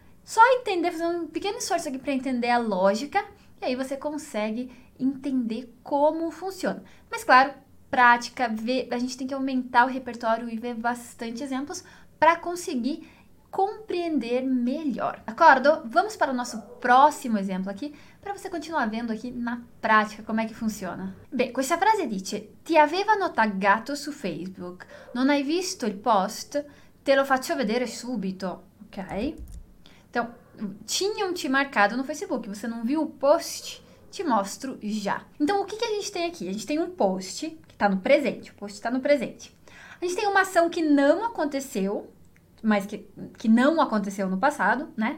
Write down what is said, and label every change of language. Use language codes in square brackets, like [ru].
[pt] Só entender, fazer um pequeno esforço aqui para entender a lógica, e aí você consegue entender como funciona. Mas claro, prática, ver, a gente tem que aumentar o repertório e ver bastante exemplos para conseguir compreender melhor. Acordo? Vamos para o nosso próximo exemplo aqui, para você continuar vendo aqui na prática como é que funciona. [it] Bem, questa frase dice: ti aveva notato su Facebook, non hai visto il post, te lo faccio vedere subito, ok? [pt] Então, tinham te marcado no Facebook, você não viu o post? Te mostro já. Então, o que que a gente tem aqui? A gente tem um post que está no presente. O post está no presente. A gente tem uma ação que não aconteceu, mas que não aconteceu no passado, né?